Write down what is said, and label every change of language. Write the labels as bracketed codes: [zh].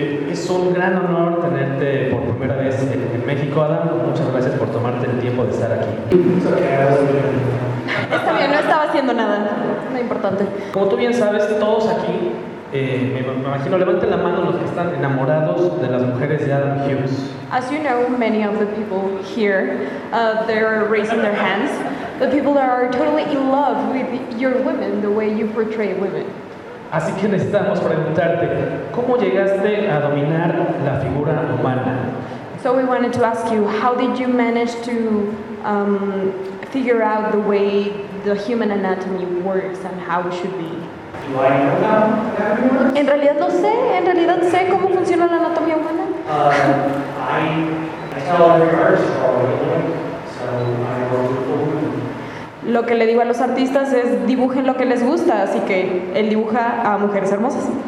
[es] Es un gran honor tenerte por primera vez en México, Adam. Muchas gracias por tomarte el tiempo de estar aquí. Está bien, no estaba haciendo nada. No es importante. Como tú bien sabes, todos aquí, me imagino, levanten la mano los que están enamorados de las mujeres de Adam Hughes. [en] As you know, many of the people here, they're raising their hands. The people that are totally in love with your women, the way you portray women. [es] Así que necesitamos preguntarte, ¿cómo llegaste a dominar la figura humana? [en] So we wanted to ask you, how did you manage to figure out the way the human anatomy works and how it should be? [es] En realidad no sé cómo funciona la anatomía humana. [en] I tell every artist all the time, so I work with women. [es] Lo que le digo a los artistas es dibujen lo que les gusta, así que él dibuja a mujeres hermosas.